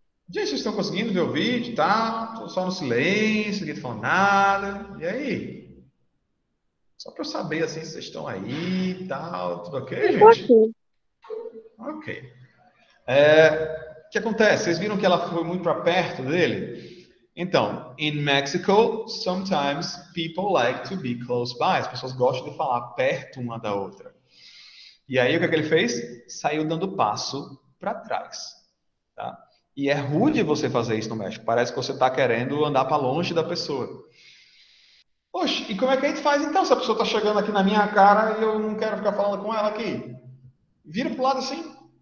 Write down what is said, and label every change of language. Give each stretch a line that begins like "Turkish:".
Portuguese: Gente, vocês estão conseguindo ver o vídeo e tal? Só no silêncio, ninguém está falando nada. E aí? Só para eu saber, assim, se vocês estão aí e tal. Tudo ok, gente? Ok. O que acontece? Vocês viram que ela foi muito para perto dele? Então,
English: in Mexico, sometimes people like to be close by.
Portuguese: As pessoas gostam de falar perto uma da outra. E aí, o que, é que ele fez? Saiu dando passo para trás. Tá? E é rude você fazer isso no México. Parece que você está querendo andar para longe da pessoa. Poxa, e como é que a gente faz então? Se a pessoa está chegando aqui na minha cara e eu não quero ficar falando com ela aqui. Vira para o lado assim.